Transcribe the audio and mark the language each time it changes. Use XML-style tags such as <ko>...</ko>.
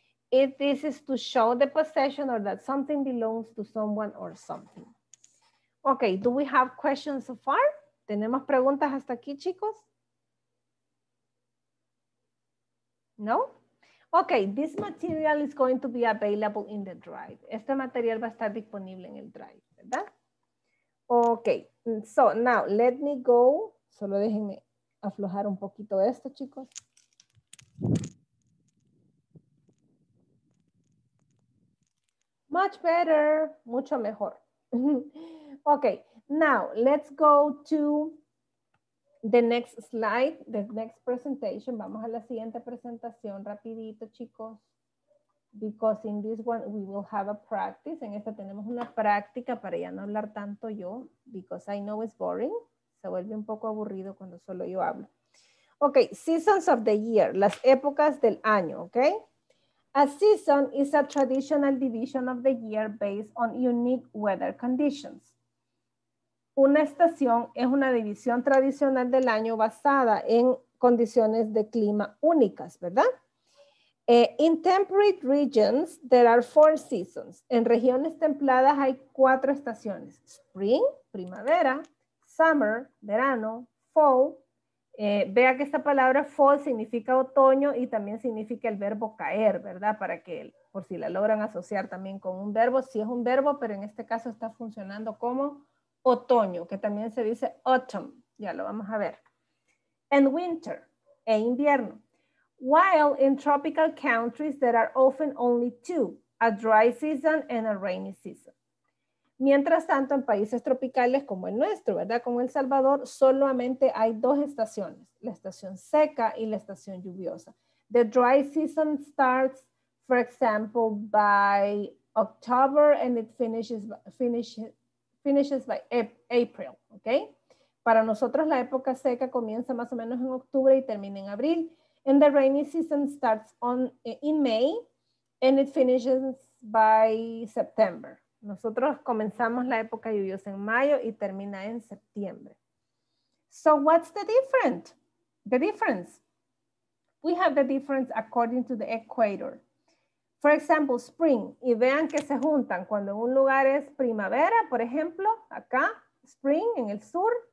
<en>If this is to show the possession or that something belongs to someone or something. Ok, do we have questions so far?</en> <es>¿Tenemos preguntas hasta aquí, chicos?</es> <en>No? Ok, this material is going to be available in the drive.</en> <es>Este material va a estar disponible en el drive, ¿verdad?</es> <en>Ok, so now let me go.</en> <es>Solo déjenme aflojar un poquito esto, chicos.</es> <en>Much better,</en> <es>mucho mejor.</es> <en>Ok, now let's go to the next slide, the next presentation.</en> <es>Vamos a la siguiente presentación rapidito, chicos.</es> <en>Because in this one we will have a practice.</en> <es>En esta tenemos una práctica para ya no hablar tanto yo.</es> <en>Because I know it's boring.</en> <es>Se vuelve un poco aburrido cuando solo yo hablo.</es> <en>Ok, seasons of the year.</en> <es>Las épocas del año,</es> <en>ok. A season is a traditional division of the year based on unique weather conditions.</en> <es>Una estación es una división tradicional del año basada en condiciones de clima únicas, ¿verdad?</es> <en>In temperate regions, there are four seasons.</en> <es>En regiones templadas hay cuatro estaciones. Spring, primavera, summer, verano, fall. Vea que esta palabra fall significa otoño y también significa el verbo caer, ¿verdad? Para que, por si la logran asociar también con un verbo, sí es un verbo, pero en este caso está funcionando como otoño, que también se dice autumn, ya lo vamos a ver.</es> <en>And winter,</en> <es>e invierno.</es> <en>While in tropical countries, there are often only two, a dry season and a rainy season.</en> <es>Mientras tanto, en países tropicales como el nuestro, ¿verdad? Como El Salvador, solamente hay dos estaciones, la estación seca y la estación lluviosa.</es> <en>The dry season starts, for example, by October and it finishes by April, ¿ok?</en> <es>Para nosotros la época seca comienza más o menos en octubre y termina en abril.</es> <en>And the rainy season starts in May and it finishes by September.</en> <es>Nosotros comenzamos la época lluviosa en mayo y termina en septiembre.</es> <en>So what's the difference? The difference. We have the difference according to the equator. For example, spring.</en> <es>Y vean que se juntan cuando en un lugar es primavera, por ejemplo, acá, spring en el sur.</es>